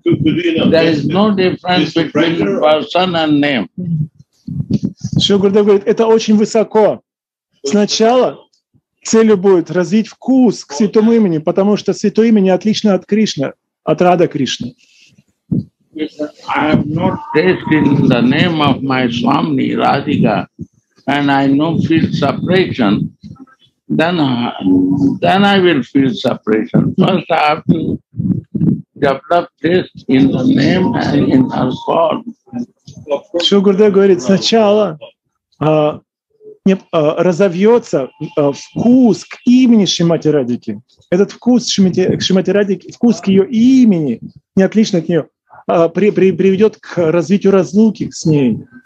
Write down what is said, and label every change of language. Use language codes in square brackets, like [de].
[en] There is no difference between person and name. [ru] Шри Гурудев говорит, это очень высоко. Сначала целью будет развить вкус к святому имени, потому что святое имя отлично от Кришны, от Рада Кришны. [en] I have not tasted the name of my Swami Radhika, and I don't feel separation. Then I will feel separation. First, I have to develop taste in the name and in her form. [ru] Шри Гурудев говорит, сначала разовьется вкус к имени Шримати Радики. Этот вкус к Шримати Радики, вкус к ее имени, не отлично от нее, приведет к развитию разлуки с ней.